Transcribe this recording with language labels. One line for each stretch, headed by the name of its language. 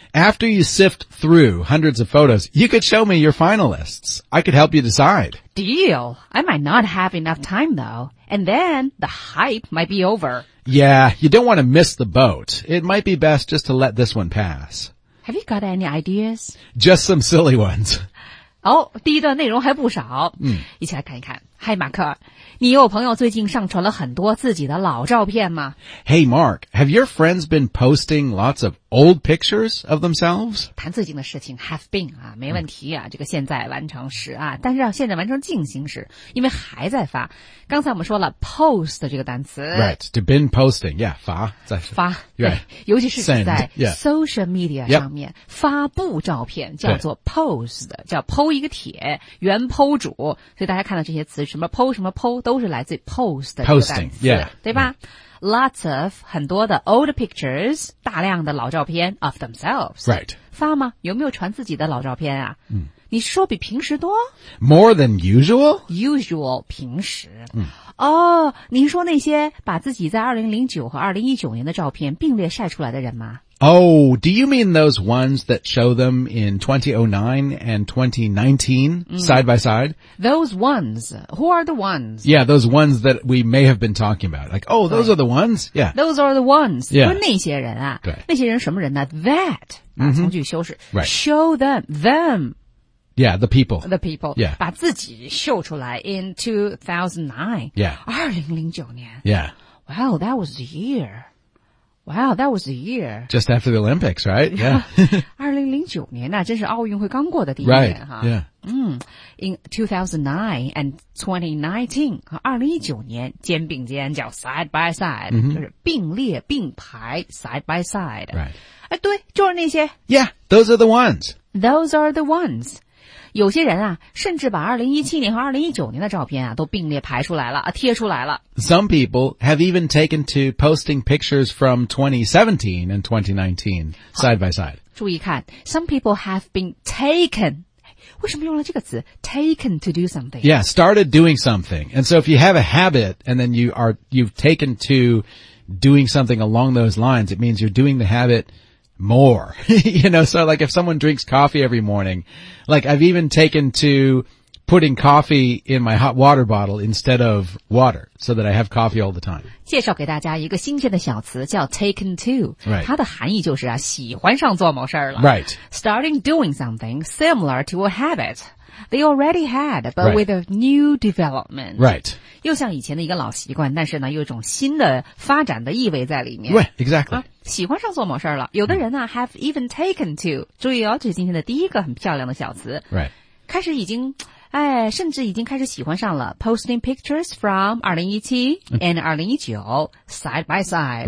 English: After you sift through hundreds of photos, you could show me your finalists. I could help you decide. Deal. I might not have enough time, though. And then the hype might be over. Yeah, you don't want to miss the boat. It might be best just to let this one pass. Have you got any ideas? Just some silly ones.
Chinese: 好、oh, 第一段内容还不少、嗯、一起来看一看。
English: Hi, Mark,
Chinese: 你有朋友最近上传了很多自己的老照片吗
English: ?Hey, Mark, have your friends been posting lots of old pictures of themselves?
Chinese: 谈最近的事情 ,
English: have been,
Chinese: 啊没问题啊、嗯、这个现在完成时啊但是要现在完成进行时因为还在发。刚才我们说了 post 这个单词。
English: Right, to been posting, yeah,
Chinese: 发在发。
English: Right,
Chinese: 尤其是在 social media 上面、
English: yep.
Chinese: 发布照片叫做 post, 叫 po 一个帖原 po 主所以大家看到这些词什么 po 什么 po 都是来自 post 的
English: posting,
Chinese: 这个单词、
English: yeah.
Chinese: 对吧、嗯、
English: Lots of
Chinese: 很多的
English: old pictures
Chinese: 大量的老照片
English: of themselves Right
Chinese: 发吗有没有传自己的老照片啊、嗯、你说比平时多
English: More than usual
Chinese: Usual 平时、嗯、哦你说那些把自己在2009和2019年的照片并列晒出来的人吗
English: Oh do you mean those ones that show them in 2009 and 2019、
Chinese: 嗯、
English: side by side Those ones, who are the ones? Yeah, those ones that we may have been talking about. Like, oh, those are the ones? Yeah. Those are the ones. Yeah.
Chinese: 那些人啊。对。那些人什么人呢 ?
English: That.、 Mm-hmm.
Chinese: 从句修饰。
English: Right. Show them, them. Yeah, the people. The people. Yeah.
Chinese: 把自己秀出来
English: in 2009. Yeah.
Chinese: 2009年。
English: Yeah. Wow, that was the year. Wow, that was a year. Just after the Olympics, right? Yeah.
Chinese: 2009年那真是奥运会刚过的第一年。
English: Right, yeah.、 Mm, in 2009 and 2019,
Chinese: 和2019年肩并肩叫
English: side by side,、 mm-hmm.
Chinese: 就是并列并排 side by side.
English: Right.
Chinese: 哎对就是那些。
English: Yeah, those are the ones. Those are the ones.
Chinese: 有些人啊甚至把2017年和2019年的照片啊都并列排出来了贴出来了。
English: Some people have even taken to posting pictures from 2017 and 2019 side by side. 注意看 ,some people have been taken. 为什么用了这个词 ,taken to do something? Yeah, started doing something. And so if you have a habit and then you've taken to doing something along those lines, it means you're doing the habit more. you know, so like if someone drinks coffee every morning,Like, I've even taken to putting coffee in my hot water bottle instead of water, so that I have coffee all the time.
Chinese: 介绍给大家一个新鲜的小词叫 taken to.
English: Right.
Chinese: 它的含义就是啊喜欢上做某事儿了。
English: Right. Starting doing something similar to a habit they already had, but right. with a new development. Right.
Chinese: 又像以前的一个老习惯但是呢有一种新的发展的意味在里面。
English: Right, exactly.、
Chinese: 啊喜欢上做某事了有的人呢、啊、
English: have even taken to
Chinese: 注意哦这是今天的第一个很漂亮的小词
English: Right
Chinese: 开始已经哎，甚至已经开始喜欢上了
English: posting pictures from 2017 and 2019 side by side